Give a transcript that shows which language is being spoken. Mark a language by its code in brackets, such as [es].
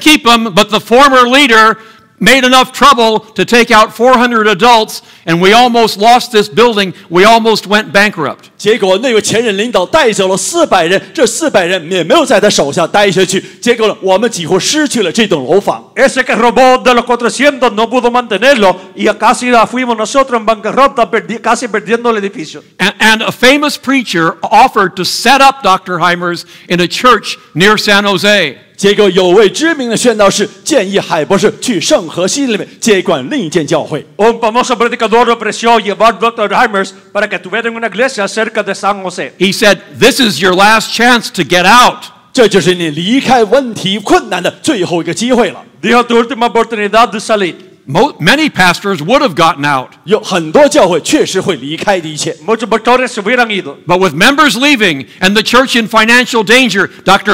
[en] keep them, but the former leader made enough trouble to take out 400 adults, and we almost lost this building. We almost went bankrupt. [zh] 结果那位前任领导带走了400人, 这400人也没有在他手下待下去, 结果我们几乎失去了这栋楼房. [es] Ese que robó de los 400 no pudo mantenerlo, y casi fuimos nosotros en bancarrota, casi perdiendo el edificio. [en] And a famous preacher offered to set up Dr. Hymers in a church near San Jose. [zh] 结果有位知名的宣道士建议海博士去圣何西里面接管另一间教会。 [es] Un famoso predicador ofreció llevar Dr. Hymers para que tuviera una iglesia cerca de San José. [en] He said, "This is your last chance to get out." [zh] 这就是你离开问题困难的最后一个机会了。 [es] Dijo tu última oportunidad de salir. [en] Many pastors would have gotten out. [zh] 有很多教会确实会离开的一切。 [es] Muchos pastores se hubieran ido. [en] But with members leaving and the church in financial danger, Dr.